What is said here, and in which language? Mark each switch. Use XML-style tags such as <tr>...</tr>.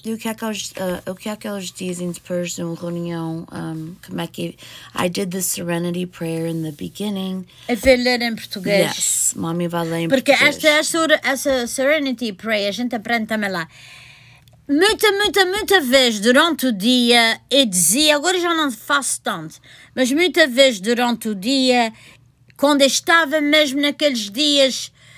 <pt>E o que é que eles dizem depois de uma reunião? Como é que...</pt> <en>I did the Serenity Prayer in the beginning.</en> <pt>A ver ler em português. Yes, mami vai ler em porque português. Porque essa Serenity Prayer, a gente aprende também lá. Muita vez durante o dia, eu dizia... Agora já não faço tanto. Mas muita vez durante o dia, quando eu estava mesmo naqueles dias...</pt>